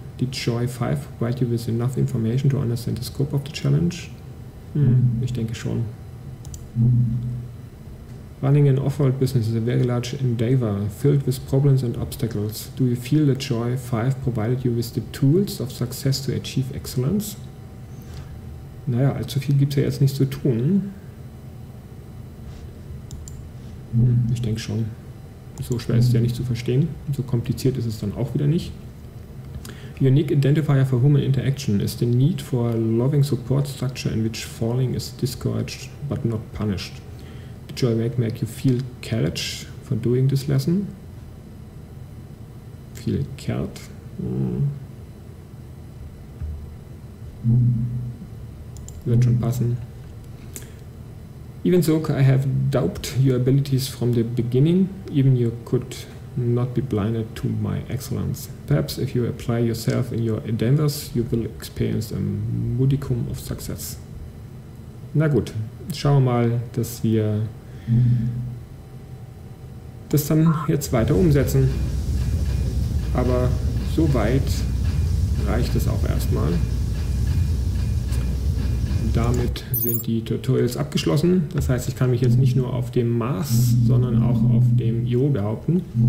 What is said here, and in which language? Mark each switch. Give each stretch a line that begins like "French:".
English: Did Joy 5 provide you with enough information to understand the scope of the challenge?
German: Ich denke schon.
English: Running an off-world business is a very large endeavor, filled with problems and obstacles. Do you feel that Joy 5 provided you with the tools of success to achieve excellence?
German: Naja, allzu viel gibt es ja jetzt nicht zu tun. Ich denke schon. So schwer ist es ja nicht zu verstehen. So kompliziert ist es dann auch wieder nicht.
English: Unique identifier for human interaction is the need for a loving support structure in which falling is discouraged but not punished. Did Joy make you feel courage for doing this lesson? Feel cared?
German: Wird schon passen.
English: Even so, I have doubted your abilities from the beginning, even you could not be blinded to my excellence. Perhaps if you apply yourself in your endeavors, you will experience a modicum of success.
German: Na gut, schauen wir mal, dass wir das dann jetzt weiter umsetzen. Aber soweit reicht es auch erstmal. Damit sind die Tutorials abgeschlossen. Das heißt, ich kann mich jetzt nicht nur auf dem Mars, sondern auch auf dem Io behaupten.